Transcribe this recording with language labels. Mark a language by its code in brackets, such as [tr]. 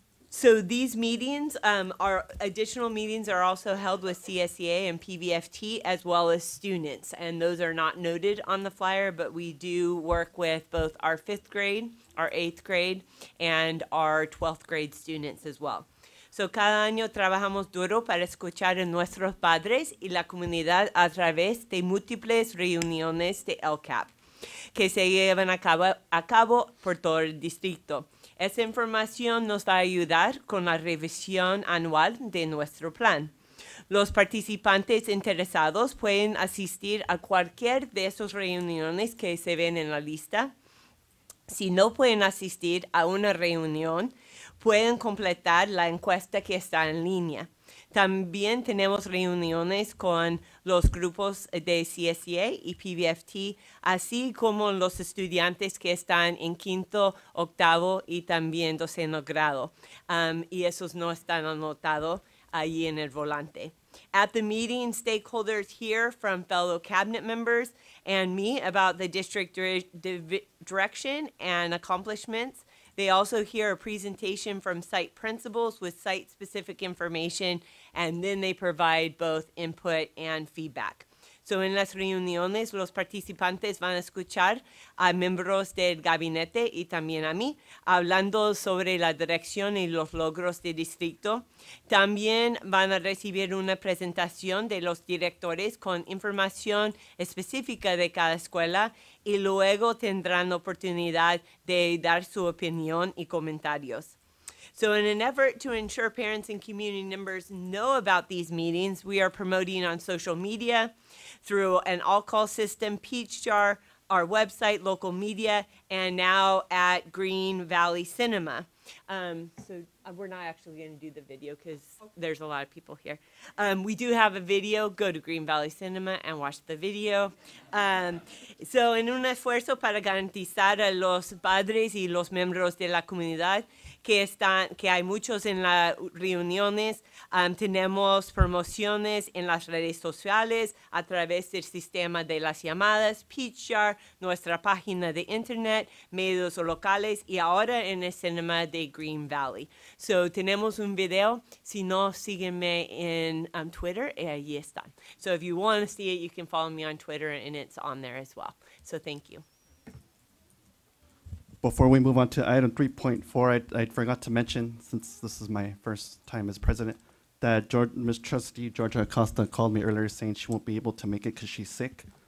[en] So these meetings are, additional meetings are also held with CSEA and PVFT, as well as students. And those are not noted on the flyer, but we do work with both our fifth grade, our eighth grade, and our 12th grade students as well. [es] So cada año trabajamos duro para escuchar a nuestros padres y la comunidad a través de múltiples reuniones de LCAP que se llevan a cabo por todo el distrito. Esa información nos va a ayudar con la revisión anual de nuestro plan. Los participantes interesados pueden asistir a cualquier de esas reuniones que se ven en la lista. Si no pueden asistir a una reunión, pueden completar la encuesta que está en línea. También tenemos reuniones con los grupos de CSEA y PVFT, así como los estudiantes que están en quinto, octavo y también doceno grado. Y esos no están anotados ahí en el volante. [en] At the meeting, stakeholders hear from fellow cabinet members and me about the district direction and accomplishments. They also hear a presentation from site principals with site-specific information, and then they provide both input and feedback. [es] So en las reuniones, los participantes van a escuchar a miembros del gabinete y también a mí, hablando sobre la dirección y los logros del distrito. También van a recibir una presentación de los directores con información específica de cada escuela y luego tendrán la oportunidad de dar su opinión y comentarios. [en] So in an effort to ensure parents and community members know about these meetings, we are promoting on social media, through an all-call system, Peach Jar, our website, local media, and now at Green Valley Cinema. So we're not actually going to do the video because there's a lot of people here. We do have a video. Go to Green Valley Cinema and watch the video. [es] So en un esfuerzo para garantizar a los padres y los miembros de la comunidad que están, que hay muchos en las reuniones, tenemos promociones en las redes sociales a través del sistema de las llamadas, Peach Jar, nuestra página de internet, medios locales y ahora en el cinema de Green Valley. So tenemos un video, si no, sígueme en Twitter y ahí están. [en] So if you want to see it, you can follow me on Twitter and it's on there as well. So thank you. Before we move on to item 3.4, I forgot to mention, since this is my first time as president, that Ms. Trustee Georgia Acosta called me earlier saying she won't be able to make it because she's sick.